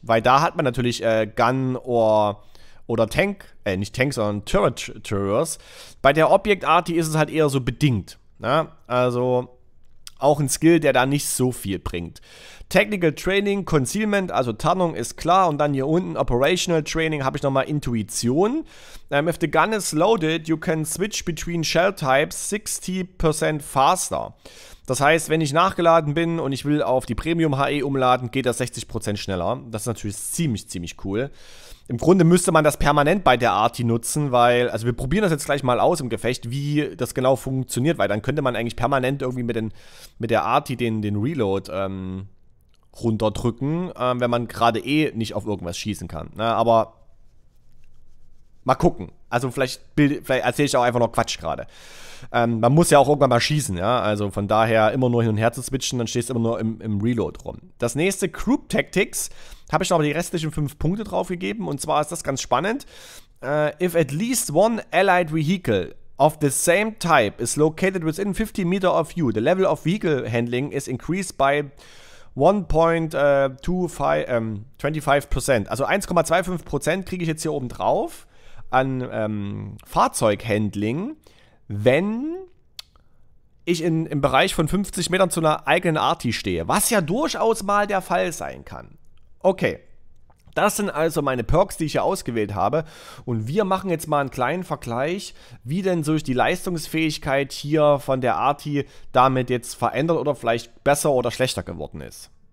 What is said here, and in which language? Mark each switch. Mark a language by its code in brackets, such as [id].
[de] Weil da hat man natürlich Gun oder Tank, nicht Tank, sondern Turret Traverse. Bei der Objekt-Art ist es halt eher so bedingt. Ne? Also auch ein Skill, der da nicht so viel bringt. Technical Training, Concealment, also Tarnung ist klar. Und dann hier unten Operational Training, habe ich nochmal Intuition. [en] If the gun is loaded, you can switch between shell types 60% faster. [de] Das heißt, wenn ich nachgeladen bin und ich will auf die Premium HE umladen, geht das 60% schneller. Das ist natürlich ziemlich, ziemlich cool. Im Grunde müsste man das permanent bei der Arti nutzen, weil, also wir probieren das jetzt gleich mal aus im Gefecht, wie das genau funktioniert, weil dann könnte man eigentlich permanent irgendwie mit der Arti den Reload runterdrücken, wenn man gerade nicht auf irgendwas schießen kann. Na, aber mal gucken. Also vielleicht erzähle ich auch einfach noch Quatsch gerade. Man muss ja auch irgendwann mal schießen, ja. Also von daher immer nur hin und her zu switchen, dann stehst du immer nur im Reload rum. Das nächste, Group Tactics, habe ich noch die restlichen 5 Punkte draufgegeben. Und zwar ist das ganz spannend. [en] If at least one allied vehicle of the same type is located within 50 meter of you, the level of vehicle handling is increased by 1.25%. [de] Also 1,25% kriege ich jetzt hier oben drauf an Fahrzeughandling, wenn ich im Bereich von 50 Metern zu einer eigenen Arti stehe, was ja durchaus mal der Fall sein kann. Okay, das sind also meine Perks, die ich hier ausgewählt habe und wir machen jetzt mal einen kleinen Vergleich, wie denn so die Leistungsfähigkeit hier von der Arti damit jetzt verändert oder vielleicht besser oder schlechter geworden ist.